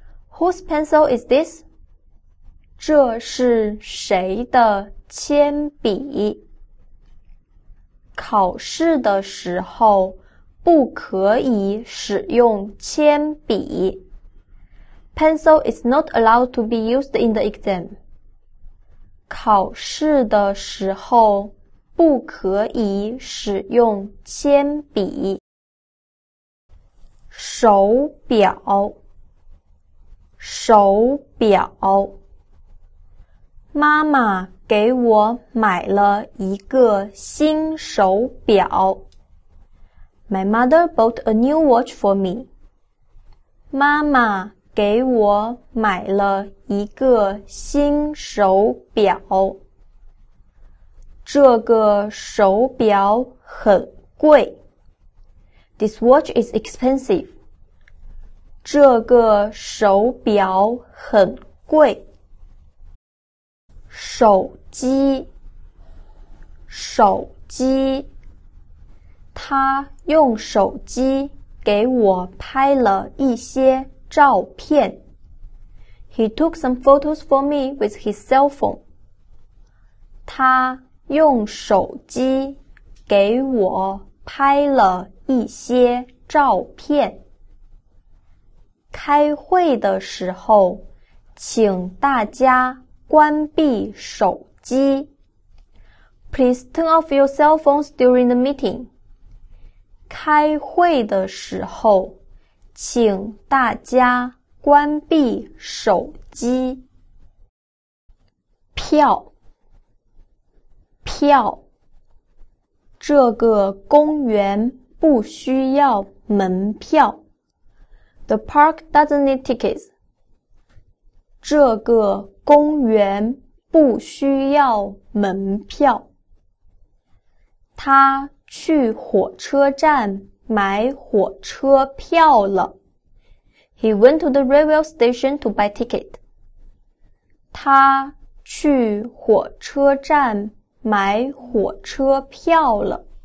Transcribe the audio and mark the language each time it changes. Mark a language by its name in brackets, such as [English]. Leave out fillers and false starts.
[English] Whose pencil is this? [Chinese] 这是谁的铅笔？考试的时候不可以使用铅笔。 [English] Pencil is not allowed to be used in the exam. [Chinese] 考试的时候不可以使用铅笔。手表。手表，妈妈给我买了一个新手表。 [English] My mother bought a new watch for me. [Chinese] 妈妈给我买了一个新手表。这个手表很贵。 [English] This watch is expensive. [Chinese] 这个手表很贵。手机，手机，他用手机给我拍了一些照片。 [English] He took some photos for me with his cell phone. [Chinese] 他用手机给我拍了一些照片。开会的时候，请大家关闭手机。 [English] Please turn off your cell phones during the meeting. [Chinese] 开会的时候，请大家关闭手机。票，票，这个公园不需要门票。 [English] The park doesn't need tickets. [Chinese] 这个公园不需要门票。他去火车站买火车票了。 [English] He went to the railway station to buy ticket. [Chinese] 他去火车站买火车票了。